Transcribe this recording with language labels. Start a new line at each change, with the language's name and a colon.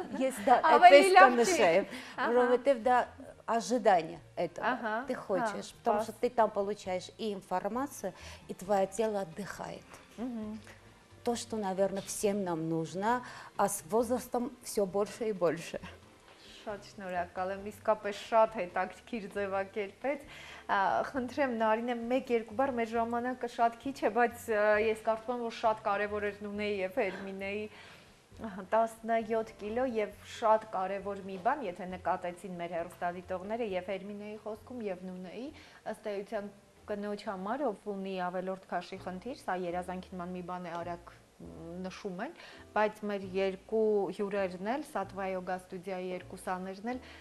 Armenian: Ես դա այդպես կնշեմ, որովհետև դա
Russian: ожидание это. Ты хочешь, потому что ты там получаешь и информацию, и твоё тело отдыхает. То, что, наверное, всем нам нужно, а с возрастом всё больше и больше.
Armenian: Շատ շնորհակալ եմ, իսկապես շատ հետաքրքիր ձևակերպեց։ Խնդրեմ, Նարինե, 1-2 բառ, մեր ժամանակը շատ քիչ է, բայց ես կարծում եմ, որ շատ կարևոր էր Նունեի եւ Հերմինեի 17 կիլո եւ շատ կարևոր մի բան, եթե նկատեցին մեր հեռուստադիտողները եւ Հերմինեի խոսքում եւ Նունեի, ըստ էության կնոջ համար, ով ունի ավելորդ քաշի խնդիր, սա երազանքինման մի բան է արագ նշում են, բայց մեր երկու հյուրերն էլ, Սատվա յոգա ստուդիայի երկուսաներն էլ